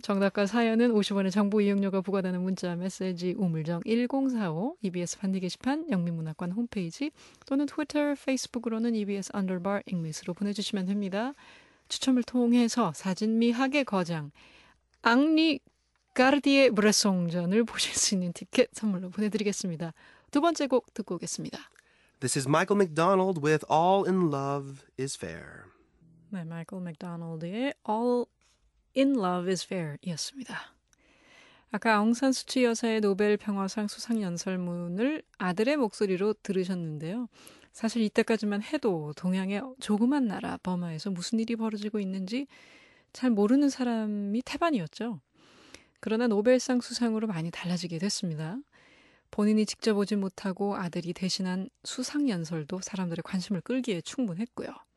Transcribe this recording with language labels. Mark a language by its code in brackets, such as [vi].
[ko] 정답과 사연은 50원의 정보 이용료가 부과되는 문자 메시지 우물정 1045 EBS 반디 게시판 영민문학관 홈페이지 또는 트위터, 페이스북으로는 EBS underbar English로 보내주시면 됩니다. 추첨을 통해서 사진 미학의 거장 앙리 가르디에 브레송전을 보실 수 있는 티켓 선물로 보내드리겠습니다. 두 번째 곡 듣고 오겠습니다. [en] This is Michael McDonald with All in Love is Fair. [ko] 네, Michael McDonald의 All in Love is Fair이었습니다. 아까 아웅산 수치 여사의 노벨 평화상 수상 연설문을 아들의 목소리로 들으셨는데요. 사실 이때까지만 해도 동양의 조그만 나라 버마에서 무슨 일이 벌어지고 있는지 잘 모르는 사람이 태반이었죠. 그러나 노벨상 수상으로 많이 달라지게 됐습니다. 본인이 직접 오지 못하고 아들이 대신한 수상 연설도 사람들의 관심을 끌기에 충분했고요.